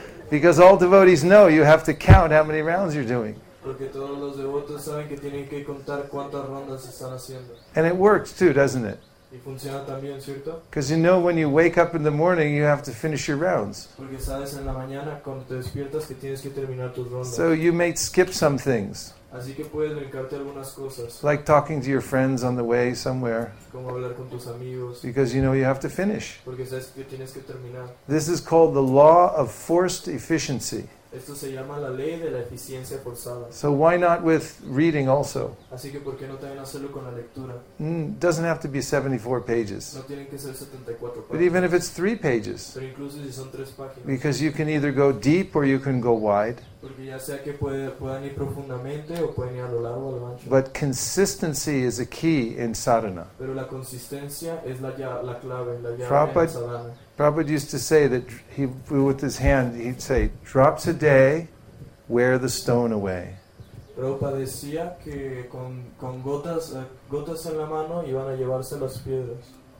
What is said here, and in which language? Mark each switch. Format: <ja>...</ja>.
<en>Because all devotees know you have to count how many rounds you're doing.</en> <es>Porque todos los devotos saben que tienen que contar cuántas rondas están haciendo.</es> <en>And it works too, doesn't it?</en> <es>Y funciona también, ¿cierto?</es> <en>Because you know when you wake up in the morning, you have to finish your rounds.</en> <es>Porque sabes en la mañana cuando te despiertas que tienes que terminar tus rondas.</es> <en>So you may skip some things.</en> <es>Así que puedes brincarte algunas cosas.</es> <en>Like talking to your friends on the way somewhere.</en> <es>Como hablar con tus amigos.</es> <en>Because you know you have to finish.</en> <es>Porque sabes que tienes que terminar.</es> <en>This is called the law of forced efficiency.</en> <es>Esto se llama la ley de la eficiencia forzada.</es> <en>So why not with reading also?</en> <es>Así que ¿por qué no también hacerlo con la lectura?</es> <en>Doesn't have to be 74 pages.</en> <es>No tienen que ser 74 páginas.</es> <en>But even if it's 3 pages.</en> <es>Pero incluso si son 3 páginas.</es> <en>Because you can either go deep or you can go wide.</en> <es>Porque ya sea que puedan ir profundamente o pueden ir a lo largo o a lo ancho.</es> <en>But consistency is a key in sadhana.</en> <es>Pero la consistencia es la clave, la llave en sadhana.</es> <en>Prabhupada used to say that he, with his hand, he'd say, drops a day, wear the stone away.</en> <es>Prabhupada decía que con gotas en la mano iban a llevarse las piedras.</es>